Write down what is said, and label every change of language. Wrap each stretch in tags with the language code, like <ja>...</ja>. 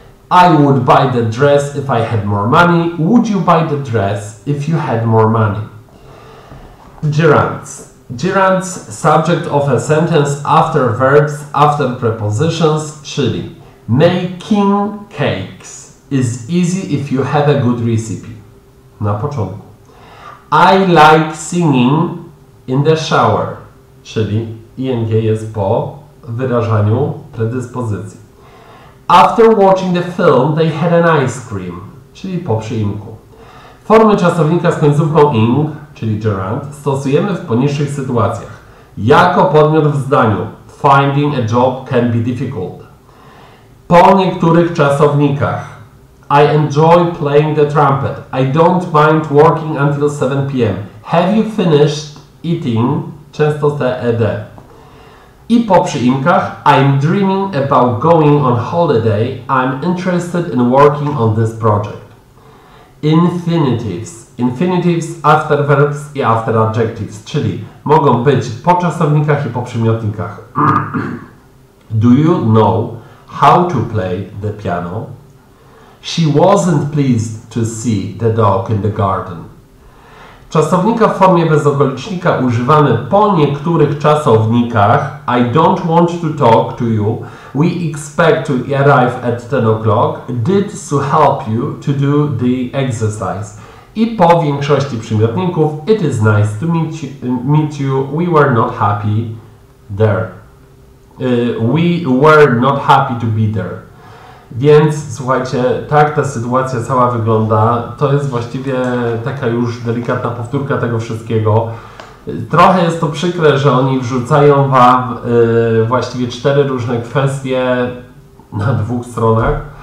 <en>I would buy that dress if I had more money. Would you buy the dress if you had more money? Gerunds. Gerunds, subject of a sentence, after verbs, after prepositions, czyli making cakes is easy if you have a good recipe.</en> <pl>Na początku.</pl> <en>I like singing in the shower,</en> <pl>czyli ING jest po wyrażaniu predyspozycji.</pl> <en>After watching the film, they had an ice cream,</en> <pl>czyli po przyimku. Formy czasownika z końcówką ing, czyli gerund, stosujemy w poniższych sytuacjach. Jako podmiot w zdaniu,</pl> <en>finding a job can be difficult.</en> <pl>Po niektórych czasownikach.</pl> <en>I enjoy playing the trumpet. I don't mind working until 7 p.m. Have you finished eating?</en> <pl>Często te</pl> <en>ed.</en> <pl>I po przyimkach.</pl> <en>I'm dreaming about going on holiday. I'm interested in working on this project. Infinitives. Infinitives after verbs i after adjectives,</en> <pl>czyli mogą być po czasownikach i po przymiotnikach.</pl> <en>Do you know how to play the piano? She wasn't pleased to see the dog in the garden.</en> <pl>Czasownika w formie bezokolicznika używamy po niektórych czasownikach.</pl> <en>I don't want to talk to you. We expect to arrive at 10 o'clock. Did to help you to do the exercise.</en> <pl>I po większości przymiotników,</pl> <en>it is nice to meet you. We were not happy there. We were not happy to be there.</en> <pl>Więc słuchajcie, tak ta sytuacja cała wygląda. To jest właściwie taka już delikatna powtórka tego wszystkiego. Trochę jest to przykre, że oni wrzucają wam właściwie cztery różne kwestie na dwóch stronach.</pl>